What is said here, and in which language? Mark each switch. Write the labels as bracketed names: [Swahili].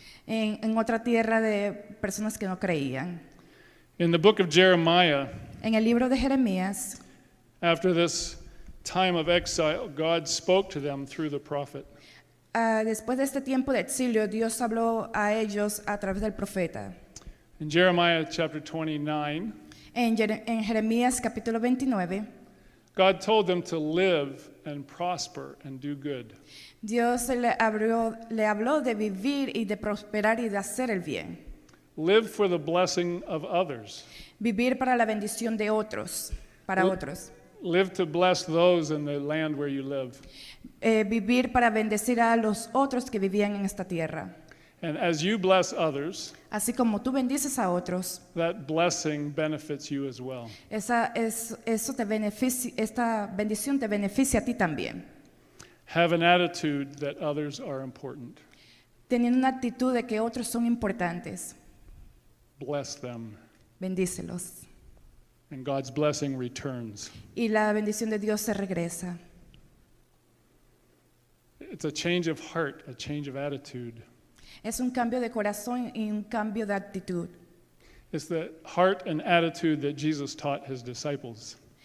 [Spanish] En otra tierra de personas que no creían. [English] In the book of Jeremiah. [Spanish] En el libro de Jeremías. [English] After this time of exile, God spoke to them through the prophet. [Spanish] Después de este tiempo de exilio, Dios habló a ellos a través del profeta. [English] In Jeremiah chapter 29. [Spanish] En Jeremías capítulo 29. [English] God told them to live and prosper and do good. [Spanish] Dios le habló de vivir y de prosperar y de hacer el bien. [English] Live for the blessing of others. [Spanish] Vivir para la bendición de otros, para otros. [English] Live to bless those in the land where you live. [Spanish] Vivir para bendecir a los otros que vivían en esta tierra. [English] And as you bless others, [Spanish] así como tú bendices a otros, [English] that blessing benefits you as well. [Spanish] Esta bendición te beneficia a ti también. [English] Have an attitude that others are important. [Spanish] Teniendo una actitud de que otros son importantes. [English] Bless them. [Spanish] Bendícelos. [English] And God's blessing returns. [Spanish] Y la bendición de Dios se regresa. [English] It's a change of heart, a change of attitude. [Spanish] Es un cambio de corazón y un cambio de actitud. [English] It's the heart and attitude that Jesus taught his disciples.